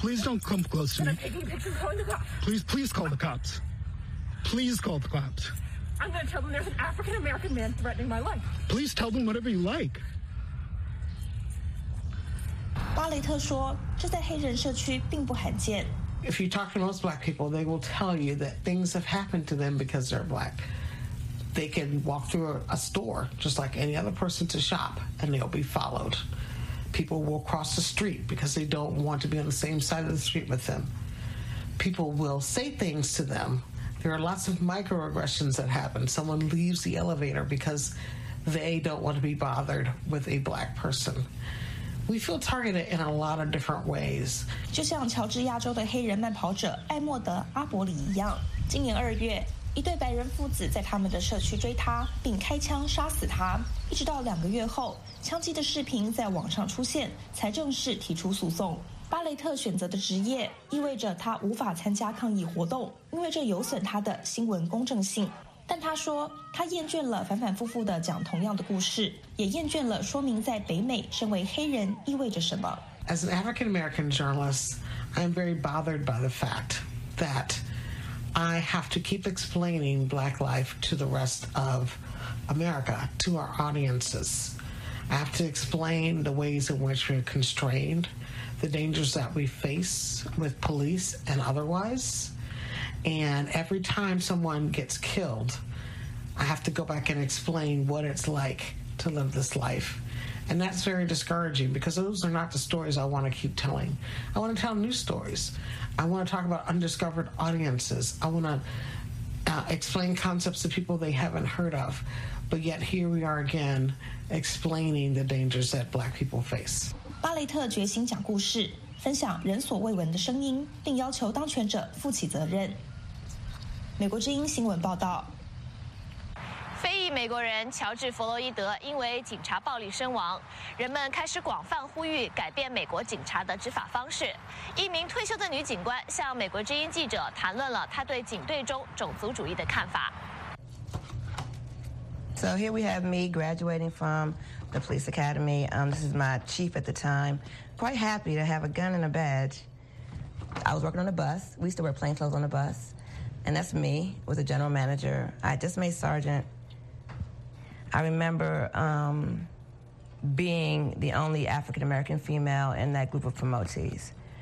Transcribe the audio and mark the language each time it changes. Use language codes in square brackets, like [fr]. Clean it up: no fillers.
[en] Please don't come close to me. I'm taking pictures, calling the cops. Please call the cops. Please call the cops. I'm going to tell them there's an African American man threatening my life. Please tell them whatever you like. [zh] 巴雷特说，这在黑人社区并不罕见。 [en] If you talk to most black people, they will tell you that things have happened to them because they're black. They can walk through a store just like any other person to shop, and they'll be followed. People will cross the street because they don't want to be on the same side of the street with them. People will say things to them. There are lots of microaggressions that happen. Someone leaves the elevator because they don't want to be bothered with a black person. We feel targeted in a lot of different ways. [zh] 就像乔治亚州的黑人慢跑者艾默德·阿伯里一样，今年二月，一对白人父子在他们的社区追他，并开枪杀死他。一直到两个月后，枪击的视频在网上出现，才正式提出诉讼。巴雷特选择的职业意味着他无法参加抗议活动，因为这有损他的新闻公正性。但他说，他厌倦了反反复复地讲同样的故事，也厌倦了说明在北美身为黑人意味着什么。 [en] As an African American journalist, I am very bothered by the fact that I have to keep explaining black life to the rest of America, to our audiences. I have to explain the ways in which we're constrained, the dangers that we face with police and otherwise. And every time someone gets killed, I have to go back and explain what it's like to live this life. And that's very discouraging because those are not the stories I want to keep telling. I want to tell new stories. I want to talk about undiscovered audiences. I want to explain concepts to people they haven't heard of. But yet here we are again explaining the dangers that black people face. [zh] 巴雷特决心讲故事，分享人所未闻的声音，并要求当权者负起责任。美国之音新闻报道。非裔美国人乔治·弗洛伊德因为警察暴力身亡，人们开始广泛呼吁改变美国警察的执法方式。一名退休的女警官向美国之音记者谈论了她对警队中种族主义的看法。 [en] So here we have me graduating from the police academy. This is my chief at the time. Quite happy to have a gun and a badge. I was working on a bus. We used to wear plain clothes on the bus. And that's me, was a general manager. I just made sergeant. I remember being the only African-American female in that group of promotees.